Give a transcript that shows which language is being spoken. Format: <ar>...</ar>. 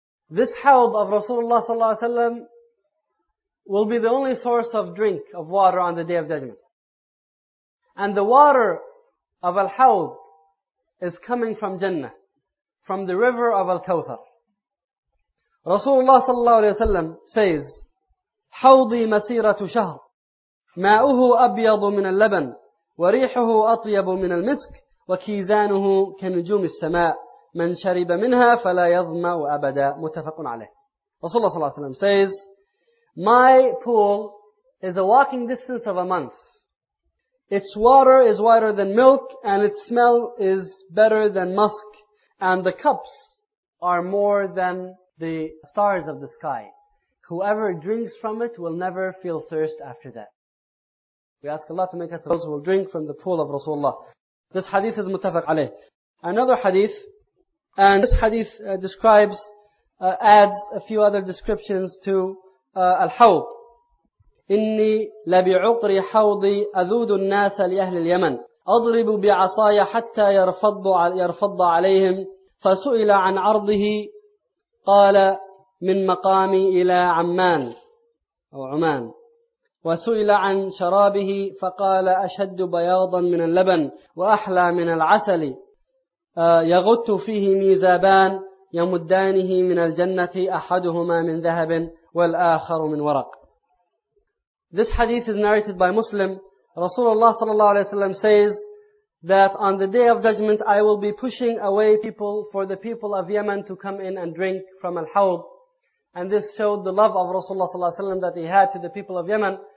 <en>This hawd of Rasulullah sallallahu alayhi wa sallam will be the only source of drink of water on the Day of Judgment. And the water of Al-Hawd is coming from Jannah, from the river of Al-Kawthar. Rasulullah sallallahu alayhi wa sallam says,</en> <ar>حوضي مسيرة شهر ماءه أبيض من اللبن وريحه أطيب من المسك وكيزانه كنجوم السماء من شرب منها فلا يظمأ أبدا متفق عليه.</ar> <en>Rasulullah sallallahu alayhi wa sallam says, my pool is a walking distance of a month. Its water is whiter than milk, and its smell is better than musk, and the cups are more than the stars of the sky. Whoever drinks from it will never feel thirst after that. We ask Allah to make us those who will drink from the pool of Rasulullah. This hadith is muttafaq alayh. Another hadith, and this hadith adds a few other descriptions to الحوض.</en> <ar>إني لبعقر حوضي أذود الناس لأهل اليمن أضرب بعصايا حتى يرفض عليهم. فسئل عن عرضه قال من مقامي إلى عمان أو عمان. وسئل عن شرابه فقال أشد بياضا من اللبن وأحلى من العسل يغت فيه ميزابان يمدانه من الجنة أحدهما من ذهب والآخر من ورق.</ar> <en>This hadith is narrated by Muslim. Rasulullah sallallahu alayhi wa sallam says that on the Day of Judgment I will be pushing away people for the people of Yemen to come in and drink from Al-Hawd. And this showed the love of Rasulullah sallallahu alayhi wa sallam that he had to the people of Yemen.</en>